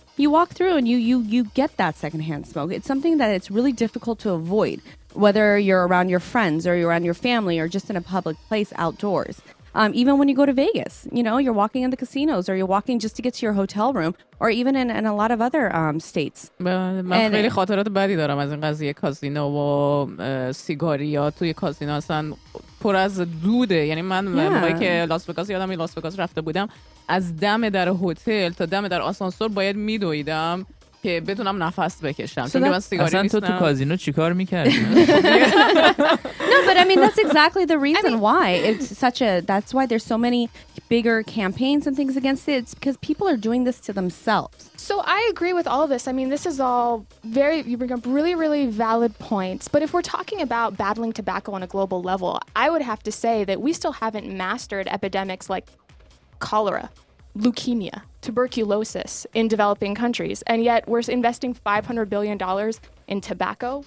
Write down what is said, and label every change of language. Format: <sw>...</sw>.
<en>You walk through and you get that secondhand smoke. It's something that it's really difficult to avoid, whether you're around your friends or you're around your family or just in a public place outdoors. Even when you go to Vegas, you know, you're walking in the casinos or you're walking just to get to your hotel room, or even in a lot of other states.</en> <fa>من خیلی خاطرات بدی دارم از این قضیه کازینو و سیگاری ها توی کازینو اصلا پر از دوده. یعنی من موقعی که لاس وگاس یادم لاس وگاس رفته بودم، از دم در هتل تا دم در آسانسور باید میدویدم که بتونم نفس بکشم. چون من سیگاری نیستم. اصلا تو کازینو چیکار میکردی؟</fa> <en>No, but I mean that's exactly the reason why it's such a. That's why there's so many bigger campaigns and things against it. It's because people are doing this to themselves. So I agree with all of this. I mean, this is all very. You bring up really, really valid points. But if we're talking about battling tobacco on a global level, I would have to say that we still haven't mastered epidemics like cholera, leukemia, tuberculosis in developing countries, and yet we're investing $500 billion in tobacco.</en>